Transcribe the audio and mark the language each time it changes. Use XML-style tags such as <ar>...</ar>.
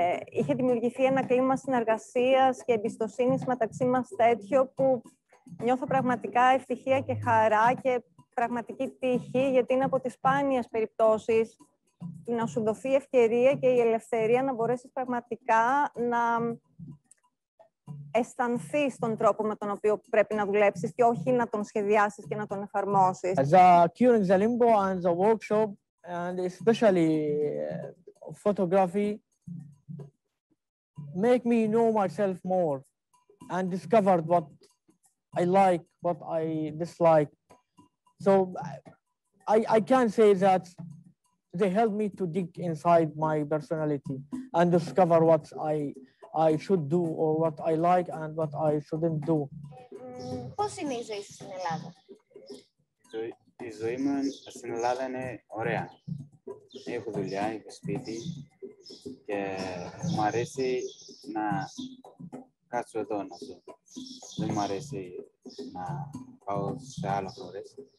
<el>Είχε δημιουργηθεί ένα κλίμα συνεργασίας και εμπιστοσύνης μεταξύ μας τέτοιο που νιώθω πραγματικά ευτυχία και χαρά και πραγματική τύχη, γιατί είναι από τις σπάνιες περιπτώσεις να σου δοθεί η ευκαιρία και η ελευθερία να μπορέσεις πραγματικά να αισθανθείς τον τρόπο με τον οποίο πρέπει να δουλέψεις και όχι να τον σχεδιάσεις και να τον εφαρμόσεις.</el> <en>As a Curing the Limbo and the workshop and especially photography make me know myself more and discover what I like, what I dislike. So I can say that they help me to dig inside my personality and discover what I should do or what I like and what I shouldn't do.</en> <el>Πώς είναι η ζωή σου στην Ελλάδα? Η ζωή μου στην Ελλάδα είναι ωραία. Έχω δουλειά, έχω σπίτι και μου αρέσει να κάτσω εδώ να ζω. Δεν μου αρέσει να πάω σε άλλα χώρες.</el>